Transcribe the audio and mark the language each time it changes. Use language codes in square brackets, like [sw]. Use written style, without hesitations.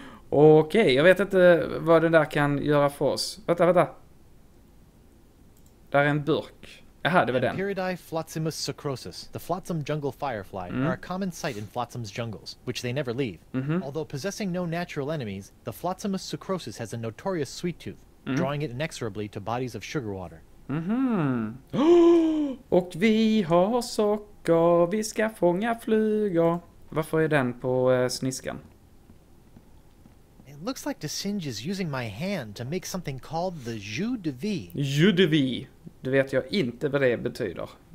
[sv] Okej, jag vet inte vad den där kan göra för oss. Vänta. Där är en burk. Jaha, det var den. [en] Empyridae flotsimus sucrosus, the flotsam jungle firefly, are a common sight in flotsam's jungles, which they never leave. Mm-hmm. Although possessing no natural enemies, the flotsimus sucrosus has a notorious sweet tooth, drawing it inexorably to bodies of sugar water. Mm-hmm. [sv] Och vi har socker, vi ska fånga flugor. Varför är den på sniskan? [en] It looks like Desinge is using my hand to make something called the jeu de vie. Jeu de vie. [sv] Du vet jag inte vad det betyder.